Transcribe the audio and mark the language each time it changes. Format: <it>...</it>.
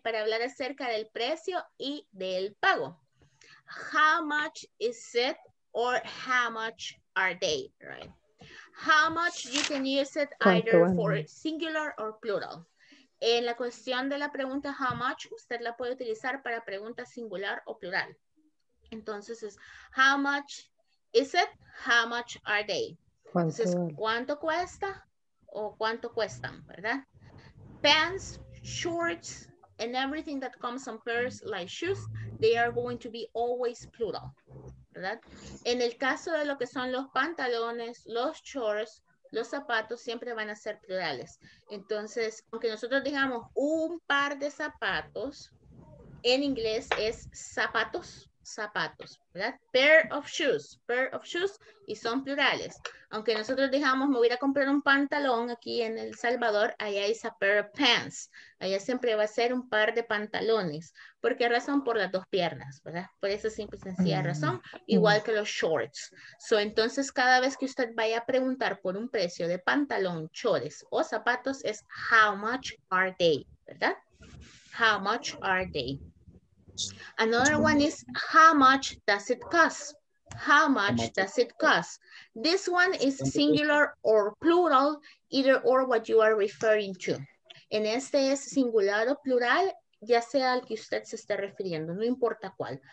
<es>Para hablar acerca del precio y del pago.</es> <en>How much is it or how much are they, right? How much, you can use it either for singular or plural.</en> <es>En la cuestión de la pregunta how much, usted la puede utilizar para pregunta singular o plural. Entonces es</es> <en>how much is it, how much are they.</en> <es>Entonces, ¿cuánto cuesta o cuánto cuestan, verdad?</es> <en>Pants, shorts, and everything that comes on pairs like shoes, they are going to be always plural, ¿verdad?</en> <es>En el caso de lo que son los pantalones, los shorts, los zapatos, siempre van a ser plurales. Entonces, aunque nosotros digamos un par de zapatos, en inglés es zapatos, zapatos, ¿verdad?</es> <en>Pair of shoes,</en> <es>y son plurales. Aunque nosotros digamos, me voy a comprar un pantalón aquí en El Salvador, allá es</es> <en>a pair of pants.</en> <es>Allá siempre va a ser un par de pantalones. ¿Por qué razón? Por las dos piernas, ¿verdad? Por esa simple y sencilla razón. Igual que los shorts. So, entonces, cada vez que usted vaya a preguntar por un precio de pantalón, shorts o zapatos, es</es> <en>how much are they,</en> <es>¿verdad?</es> <en>How much are they? Another one is how much does it cost? How much does it cost? This one is singular or plural, either or what you are referring to.</en> <es>En este es singular o plural, ya sea al que usted se esté refiriendo, no importa cuál.</es>